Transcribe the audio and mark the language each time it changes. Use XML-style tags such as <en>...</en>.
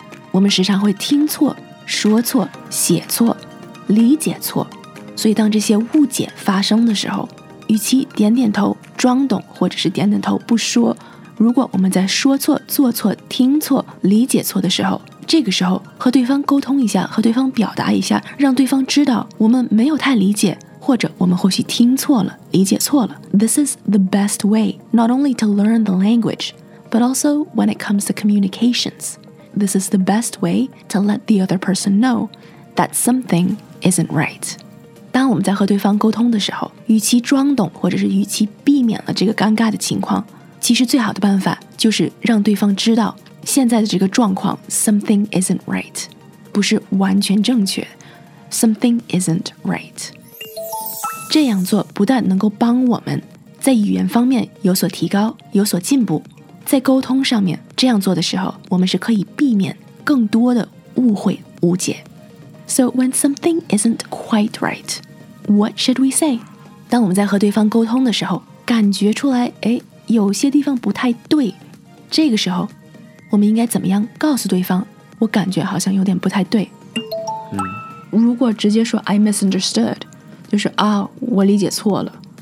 <zh>我们时常会听错、说错、写错、理解错，所以当这些误解发生的时候，与其点点头装懂，或者是点点头不说，如果我们在说错、做错、听错、理解错的时候，这个时候和对方沟通一下，和对方表达一下，让对方知道我们没有太理解，或者我们或许听错了、理解错了。</zh> <en>This is the best way not only to learn the language but also when it comes to communications. This is the best way to let the other person know that something isn't right.</en> <zh>当我们在和对方沟通的时候，与其装懂，或者是与其避免了这个尴尬的情况，其实最好的办法就是让对方知道现在的这个状况</zh> <en>something isn't right，</en> <zh>不是完全正确， something isn't right。这样做不但能够帮我们在语言方面有所提高，有所进步，在沟通上面，这样做的时候，我们是可以避免更多的误会误解。</zh> <en>So when something isn't quite right, what should we say?</en> <zh>当我们在和对方沟通的时候，感觉出来，哎，有些地方不太对，这个时候，我们应该怎么样告诉对方，我感觉好像有点不太对。如果直接说</zh> <en>I misunderstood,</en> <zh>就是啊，我理解错了。</zh>